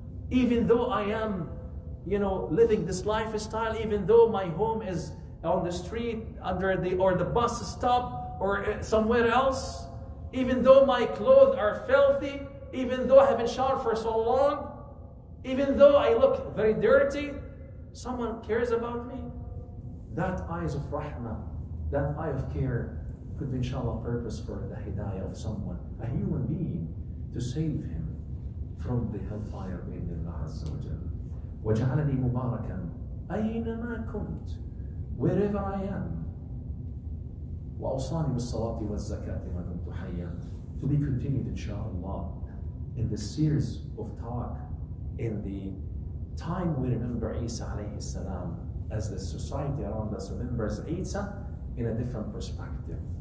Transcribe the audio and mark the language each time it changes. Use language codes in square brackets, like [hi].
[en] Even though I am, you know, living this lifestyle, even though my home is on the street, or the bus stop, or somewhere else, even though my clothes are filthy, even though I haven't showered for so long, even though I look very dirty, someone cares about me. That eyes of rahmah, that eye of care, could be inshallah purpose for the hidayah of someone, a human being, to save him from the hellfire in Allah Azza wa Jal. [ar] وَجَعَلَنِي مُبَارَكًا أَيْنَمَا كُنْتُ [en] wherever I am. [ar] وَأَوْصَانِي بِالصَّلَاةِ وَالزَّكَاةِ وَدُمْتُ حَيًّا. [en] To be continued inshallah in the series of talk in the time we remember Isa alayhi salam, as the society around us remembers Isa in a different perspective.